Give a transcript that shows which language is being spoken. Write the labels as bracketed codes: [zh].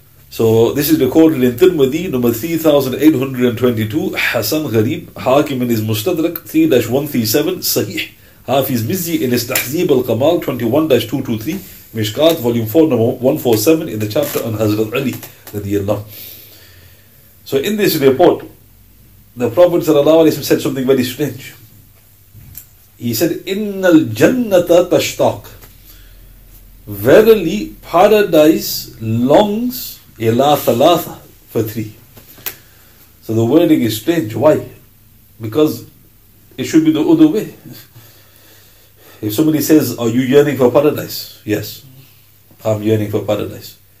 [en] So this is recorded in Tirmidhi, number 3822, Hasan Gharib, Hakim in his Mustadrak, 3-137, Sahih. Hafiz Mizzi in his Tahzib al-Kamal 21-223, Mishkat, volume 4, number 147, in the chapter on Hazrat Ali, radiyallahu. So in this report, the Prophet sallallahu alayhi wa sallam said something very strange. He said, [ar] إِنَّ الْجَنَّةَ تَشْتَاق. [en] Verily, paradise longs [ar] إِلَىٰ ثَلَاثَ [en] for three. So the wording is strange. Why? Because it should be the other way. If somebody says, are you yearning for paradise? Yes, I'm yearning for paradise.